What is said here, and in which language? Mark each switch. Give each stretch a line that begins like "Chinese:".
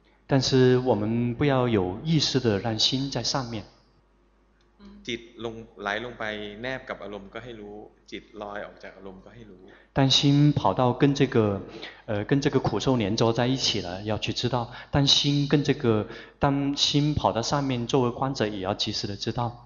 Chinese: 但是我们不要有意识的让心在上面
Thai: จิตลงไหลลงไปแนบกับอารมณ์ก็ให้รู้จิตลอยออกจากอารมณ์ก็ให้รู้
Chinese: 当心跑到跟这个跟这个苦受粘着在一起了要去知道当心跟这个当心跑到上面作为观者也要及时的知道